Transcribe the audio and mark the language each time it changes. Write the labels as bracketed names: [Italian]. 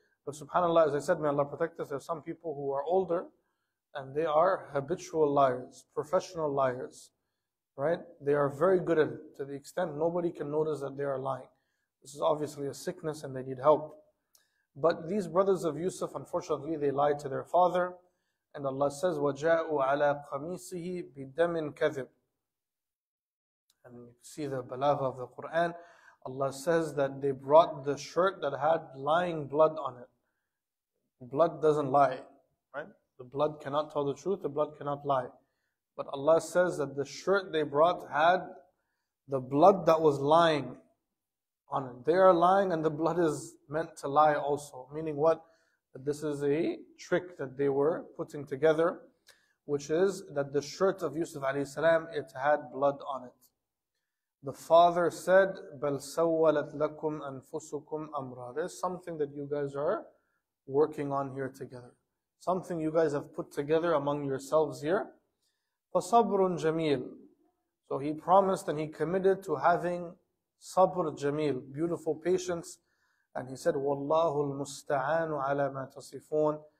[English] But subhanAllah, as I said, may Allah protect us, there are some people who are older and they are habitual liars, professional liars, right? They are very good at it to the extent nobody can notice that they are lying. This is obviously a sickness and they need help. But these brothers of Yusuf, unfortunately, they lied to their father. And Allah says, [Arabic] وَجَاءُوا عَلَىٰ قَمِيصِهِ بِدَمٍ كَذِبٍ. [English] and you see the balagha of the Qur'an, Allah says that they brought the shirt that had lying blood on it. Blood doesn't lie, right? The blood cannot tell the truth, the blood cannot lie. But Allah says that the shirt they brought had the blood that was lying on it. They are lying and the blood is meant to lie also. Meaning what? That this is a trick that they were putting together, which is that the shirt of Yusuf alayhi salam, it had blood on it. The father said, [Arabic] بَلْ سَوَّلَتْ لَكُمْ أَنفُسُكُمْ أَمْرًا. [English] There's something that you guys are working on here together. Something you guys have put together among yourselves here. [Arabic] فَصَبْرٌ جَمِيلٌ. [English] So he promised and he committed to having sabr jameel, beautiful patience. And he said, [Arabic] وَاللَّهُ الْمُسْتَعَانُ عَلَى مَا تَصِفُونَ.